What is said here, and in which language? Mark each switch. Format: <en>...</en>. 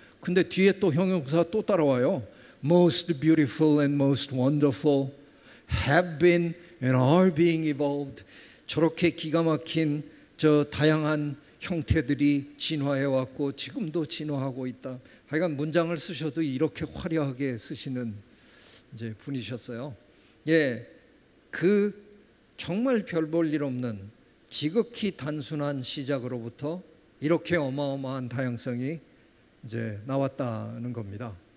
<ko>근데 뒤에 또 형용사 또 따라와요.</ko> <en>Most beautiful and most wonderful have been and are being evolved.</en> <ko>저렇게 기가 막힌 저 다양한 형태들이 진화해왔고 지금도 진화하고 있다. 하여간 문장을 쓰셔도 이렇게 화려하게 쓰시는 이제 분이셨어요. 예, 그 정말 별 볼 일 없는 지극히 단순한 시작으로부터 이렇게 어마어마한 다양성이 이제 나왔다는 겁니다.</ko>